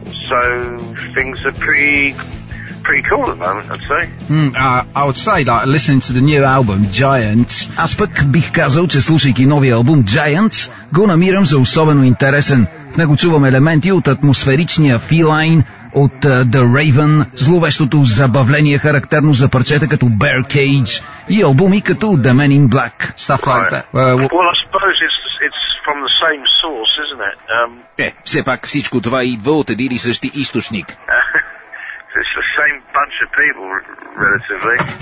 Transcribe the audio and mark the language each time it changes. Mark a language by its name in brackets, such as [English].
[English] So things are pretty cool at the moment, I'd say. I would say that listening to the new album, Giants. [Bulgarian] Аз пък бих казал, че слушайки новия албум Giants, го намирам за особено интересен. В него чувам елементи от атмосферичния feline, от The Raven, зловещото забавление характерно за парчета като Bear Cage и албуми като The Men in Black. [English] Stuff like that. Well, I suppose it's from the same source, isn't it? [Bulgarian] Е, все пак всичко това идва от един и същи източник. [English] It's the same bunch of people, relatively.